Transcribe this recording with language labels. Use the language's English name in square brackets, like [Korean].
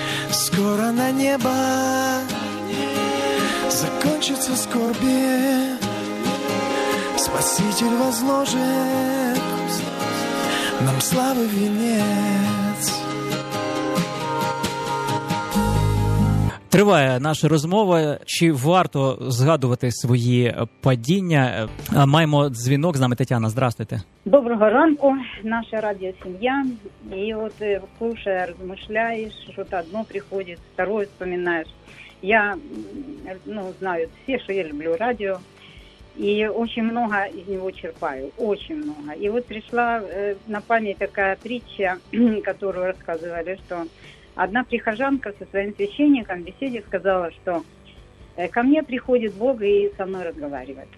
[Russian] Скоро на небо закончится скорби. Спаситель возложит нам славы венец. [Ukrainian] Триває наша розмова. Чи варто згадувати свої падіння? Маємо дзвінок з нами. Тетяна, [Russian] здравствуйте. [Ukrainian] Доброго ранку, наша радіо сім'я. І от слухаєш, розмишляєш, що то одно приходить, [Russian] старое [Ukrainian] вспоминаєш. Я знаю все, що я люблю радіо. [Russian] И очень много из него черпаю, очень много. И вот пришла на память такая притча, которую рассказывали, что одна прихожанка со своим священником в беседе сказала, что ко мне приходит Бог и со мной разговаривает.